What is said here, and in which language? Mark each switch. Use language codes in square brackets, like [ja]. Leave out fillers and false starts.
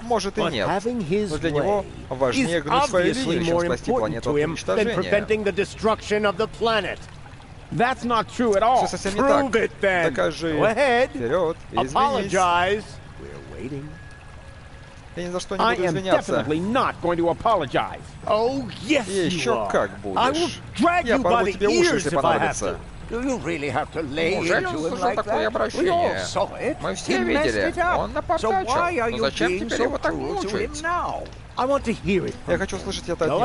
[ru] Может и нет, но для него важнее гнуть свою линию, чем спасти планету от уничтожения. [en] That's not true at all. [ru] Все совсем не [en] Prove [ru] так. [en] It, then. [ru] Докажи. [en] Go ahead. [ru] Вперед. [en] Apologize. [ru] Я ни за что не буду извиняться. [en] I am definitely not going to apologize. Oh yes, you are. [ru] Еще как будешь. [en] I will drag you by the ears if I have to. Do you really have to lay into it like that? [ru] Такое обращение? [en] We all saw it. [ru] Мы все видели. Он напортачил. Но зачем теперь его так мучить? [en] I want to hear it. [ru] Я хочу услышать это от него.